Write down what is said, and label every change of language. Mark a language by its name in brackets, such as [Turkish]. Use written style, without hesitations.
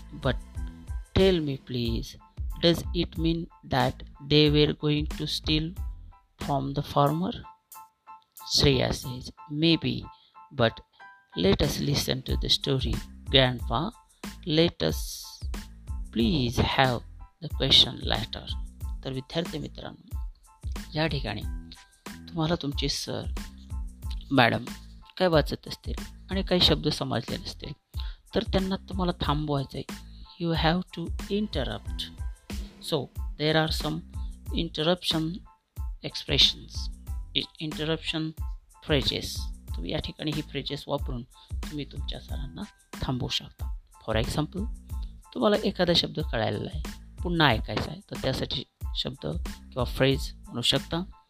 [English] But tell me, please, does it mean that they were going to steal from the farmer? Shreya says, maybe, but let us listen to the story. Grandpa, let us please have the question later. [Marathi] तर विद्यार्थी मित्रांनो, या ठिकाणी तुम्हाला तुमचे sir madam काय वाचत असतील आणि काही शब्द समजले नसतील तर त्यांना तुम्हाला थांबवायचं आहे. [English] You have to interrupt. So, there are some interruption expressions, interruption phrases. [Marathi] तुम्ही या ठिकाणी ही phrases वापरून तुम्ही तुमच्या सरांना थांबवू शकता. [English] for example, [Marathi] तुम्हाला एखादा शब्द कळायला आहे, पुन्हा ऐकायचा आहे, तर त्यासाठी शब्द किंवा फ्रेज म्हणू शकता.